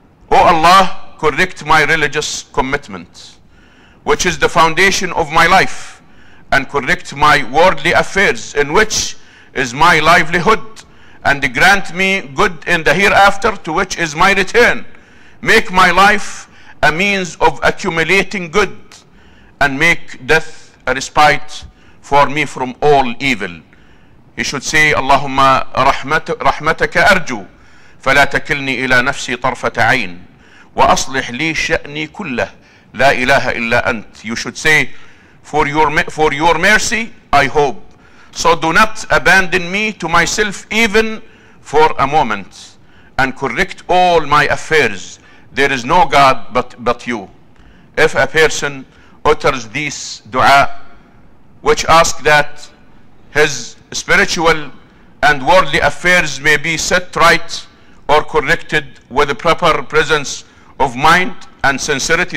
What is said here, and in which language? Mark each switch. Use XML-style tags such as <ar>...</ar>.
<en>O Allah, correct my religious commitment, which is the foundation of my life, and correct my worldly affairs, in which is my livelihood, and grant me good in the hereafter, to which is my return. Make my life a means of accumulating good, and make death a respite for me from all evil. He should say,</en> <ar>اللهم رحمتك أرجو فلا تكلني إلى نفسي طرفة عين وأصلح لي شأني كله لا إله إلا أنت.</ar> <en>You should say, for your mercy I hope, so do not abandon me to myself even for a moment, and correct all my affairs. There is no God but you. If a person utters this dua, which asks that his spiritual and worldly affairs may be set right or corrected with the proper presence of mind and sincerity.</en>